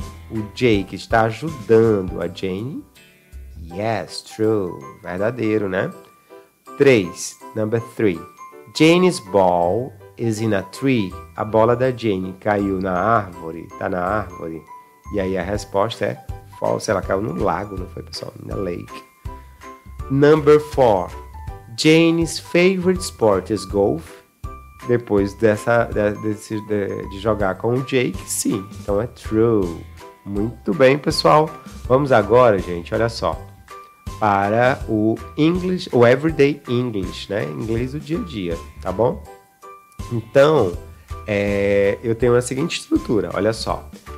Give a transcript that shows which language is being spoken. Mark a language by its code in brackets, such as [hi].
[pt] O Jake está ajudando a Jenny. [en] Yes, true, [pt] verdadeiro, né? Três, [en] number three, Jane's ball is in a tree. [pt] A bola da Jane caiu na árvore, tá na árvore. E aí a resposta é false, ela caiu no lago, não foi, pessoal? Na lake. [en] Number four, Jane's favorite sport is golf. [pt] Depois de jogar com o Jake, sim, então é true. Muito bem, pessoal, vamos agora, gente, olha só, para o English, o Everyday English, né? Inglês do dia a dia, tá bom? Então, eu tenho a seguinte estrutura, olha só.